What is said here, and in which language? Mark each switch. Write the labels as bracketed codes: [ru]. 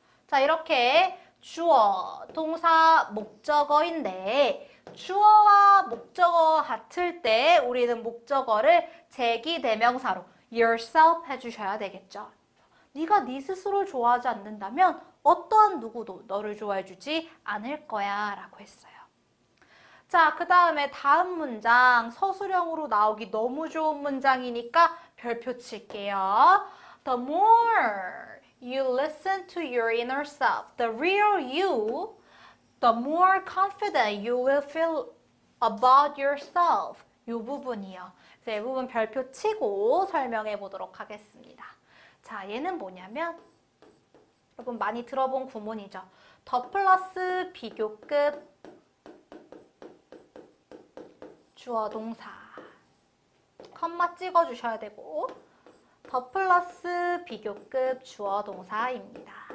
[ko] 자, 이렇게 주어, 동사, 목적어인데 주어와 목적어 같을 때 우리는 목적어를 제기 대명사로 yourself 해주셔야 되겠죠. 네가 네 스스로를 좋아하지 않는다면 어떠한 누구도 너를 좋아해 주지 않을 거야 라고 했어요. 자, 그 다음에 다음 문장 서술형으로 나오기 너무 좋은 문장이니까 별표 칠게요. [en] The more you listen to your inner self, the real you, the more confident you will feel about yourself. [ko] 이 부분이요. 이제 이 부분 별표 치고 설명해 보도록 하겠습니다. 자, 얘는 뭐냐면 여러분 많이 들어본 구문이죠. 더 플러스 비교급 주어 동사 컴마 찍어 주셔야 되고 더 플러스 비교급 주어 동사입니다.